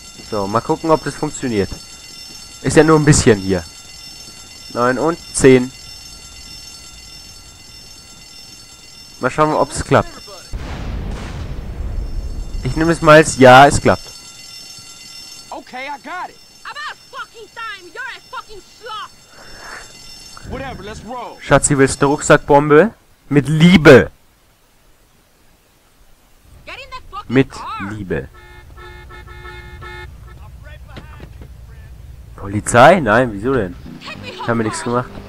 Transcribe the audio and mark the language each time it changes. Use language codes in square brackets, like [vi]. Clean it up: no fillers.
[de] So, mal gucken, ob das funktioniert. Ist ja nur ein bisschen hier. 9 und 10. Mal schauen, ob es klappt. Ich nehme es mal als ja, es klappt. [en] Okay, I got it. About fucking time, you're a fucking slut. Whatever, let's roll. [de] Schatzi, willst du eine Rucksackbombe? Mit Liebe. [en] Get in that fucking car. [de] Mit Liebe. Polizei? Nein, wieso denn? Ich habe mir nichts gemacht.